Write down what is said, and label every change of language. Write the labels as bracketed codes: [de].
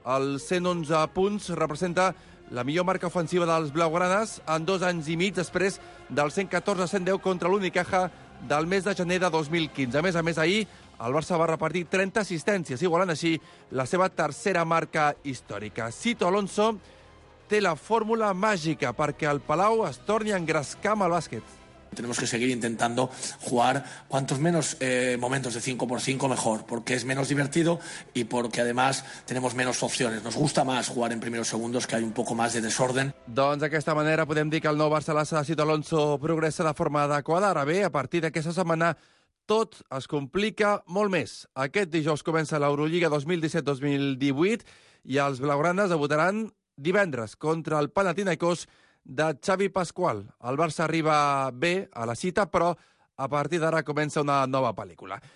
[ca] Els 111 punts representa la millor marca ofensiva dels blaugranes en dos anys i mig, després del 114 a 110 contra l'Unicaja del mes de gener de 2015. A més, ahir el Barça va repartir 30 assistències, igualant així la seva tercera marca històrica. Sito Alonso té la fórmula màgica perquè el Palau es torni a engrescar amb el bàsquet. [es] Tenemos que seguir intentando jugar cuantos menos momentos de 5x5 mejor, porque es menos divertido y porque además tenemos menos opciones. Nos gusta más jugar en primeros segundos, que hay un poco más de desorden. [ca] Doncs d'aquesta manera podem dir que el nou Barça-Lassa de Sito Alonso progressa de forma adequada. Ara bé, a partir d'aquesta setmana tot es complica molt més. Aquest dijous comença l'Eurolliga 2017-2018 i els blaugranes debutaran divendres contra el Panathinaikos de Xavi Pascual. El Barça arriba bé a la cita, però a partir d'ara comença una nova pel·lícula.